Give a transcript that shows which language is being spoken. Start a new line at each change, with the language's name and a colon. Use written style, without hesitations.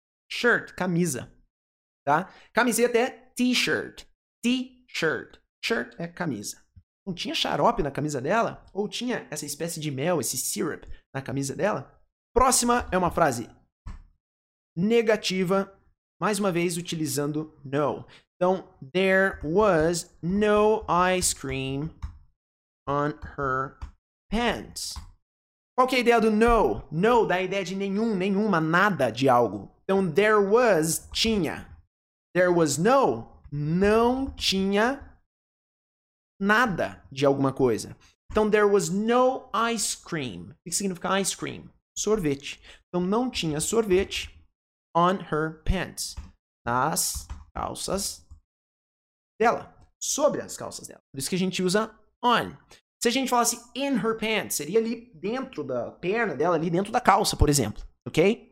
Portuguese: Shirt, camisa, tá? Camiseta é t-shirt, t-shirt. Shirt é camisa. Não tinha xarope na camisa dela? Ou tinha essa espécie de mel, esse syrup na camisa dela? Próxima é uma frase negativa, mais uma vez utilizando no.
English: Então, there was no ice cream on her pants.
Portuguese: Qual que é a ideia do no? No dá a ideia de nenhum, nenhuma, nada de algo.
English: Então, there was, tinha. There was no,
Portuguese: não tinha nada de alguma coisa.
English: Então, there was no ice cream.
Portuguese: O que significa ice cream? Sorvete. Então, não tinha sorvete
English: on her pants.
Portuguese: Nas calças dela, sobre as calças dela. Por isso que a gente usa on. Se a gente falasse
English: in her pants,
Portuguese: seria ali dentro da perna dela, ali dentro da calça, por exemplo. Ok?